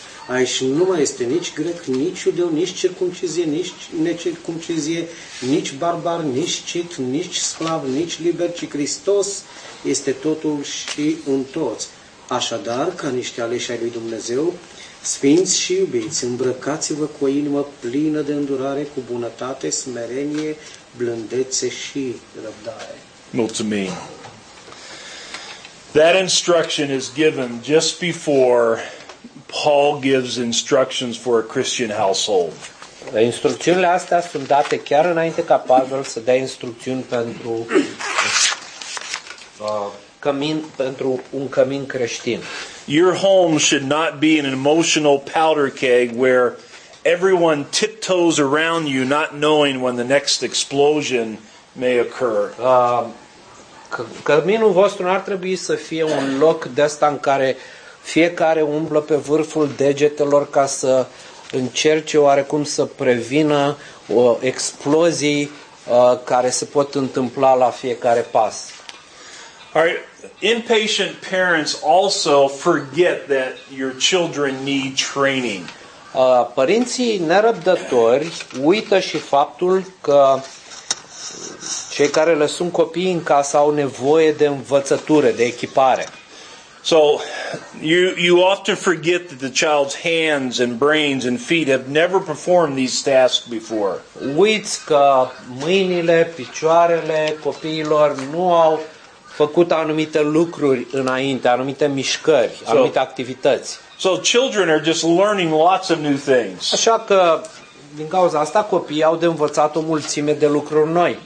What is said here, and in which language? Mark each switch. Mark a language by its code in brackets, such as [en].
[ro] Aici nu mai este nici grec, nici iudeu, nici circumcizie, nici necircumcizie, nici barbar, nici cit, nici sclav, nici liber, ci Hristos este totul și în toți. Așadar, ca niște aleși ai lui Dumnezeu, sfinți și iubiți, îmbrăcați-vă cu o inimă plină de îndurare, cu bunătate, smerenie, blândețe și răbdare. Mulțumim! [en] That instruction is given just before Paul gives instructions for a Christian household. [ro] Instrucțiunile astea sunt date chiar înainte ca Pavel să dea instrucțiuni pentru pentru un cămin creștin. [en] Your home should not be an emotional powder keg where everyone tiptoes around you not knowing when the next explosion may occur. [ro] Căminul vostru nu ar trebui să fie un loc de ăsta în care fiecare umblă pe vârful degetelor ca să încerce oarecum să prevină explozii care se pot întâmpla la fiecare pas. [en] Are impatient parents also forget that your children need training. [ro] Părinții nerăbdători uită și faptul că cei care le sunt copii în casă au nevoie de învățătură, de echipare. [en] So you often forget that the child's hands and brains and feet have never performed these tasks before. [ro] Uiți că mâinile, picioarele copiilor nu au făcut anumite lucruri înainte, anumite mișcări, anumite activități. [en] So children are just learning lots of new things. [ro] Așa că din cauza asta copiii au de învățat o mulțime de lucruri noi.